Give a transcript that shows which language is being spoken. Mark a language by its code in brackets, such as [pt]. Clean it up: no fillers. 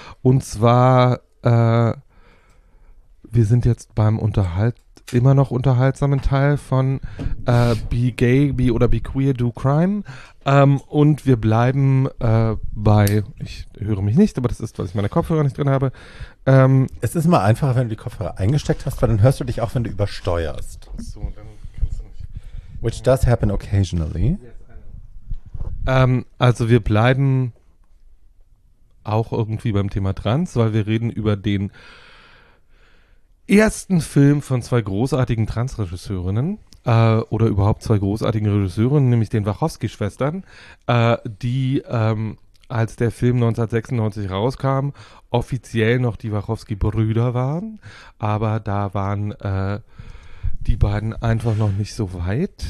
[de] Und zwar, wir sind jetzt beim immer noch unterhaltsamen Teil von Be Gay, Be oder Be Queer, Do Crime. Und wir bleiben bei, ich höre mich nicht, aber das ist, weil ich meine Kopfhörer nicht drin habe. Es ist immer einfacher, wenn du die Kopfhörer eingesteckt hast, weil dann hörst du dich auch, wenn du übersteuerst. So, dann kannst du nicht. [en] Which does happen occasionally. [de] Also wir bleiben auch irgendwie beim Thema Trans, weil wir reden über den ersten Film von zwei großartigen Trans-Regisseurinnen oder überhaupt zwei großartigen Regisseurinnen, nämlich den Wachowski-Schwestern, die, als der Film 1996 rauskam, offiziell noch die Wachowski-Brüder waren, aber da waren die beiden einfach noch nicht so weit.